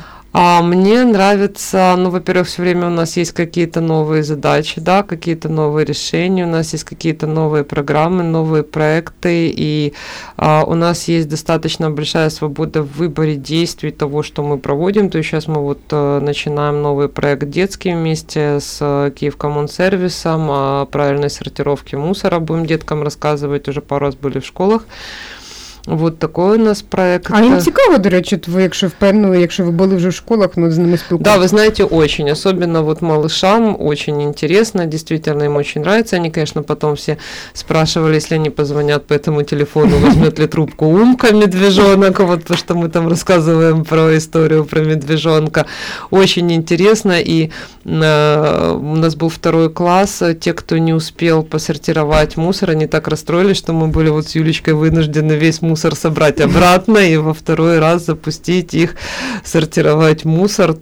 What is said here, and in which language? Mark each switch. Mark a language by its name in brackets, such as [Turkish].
[Russian] А мне нравится, ну, во-первых, все время у нас есть какие-то новые задачи, да, какие-то новые решения, у нас есть какие-то новые программы, новые проекты, и у нас есть достаточно большая свобода в выборе действий того, что мы проводим. То есть сейчас мы вот начинаем новый проект детский вместе с Киевкоммунсервисом, о правильной сортировке мусора будем деткам рассказывать, уже пару раз были в школах. Вот такой у нас проект. [Ukrainian] А им цікаво, до речі, ви, якщо впевнено, якщо ви були вже в школах, ну, з ними спілкуєтесь. [Russian] Да, вы знаете, очень, особенно вот малышам очень интересно, действительно, им очень нравится. Они, конечно, потом все спрашивали, если они позвонят по этому телефону, возьмет ли трубку Умка медвежонок, вот то, что мы там рассказываем про историю про медвежонка. Очень интересно, и у нас был второй класс, те, кто не успел посортировать мусор, они так расстроились, что мы были вот с Юлечкой вынуждены весь мусор собрать обратно и во второй раз запустить их сортировать мусор.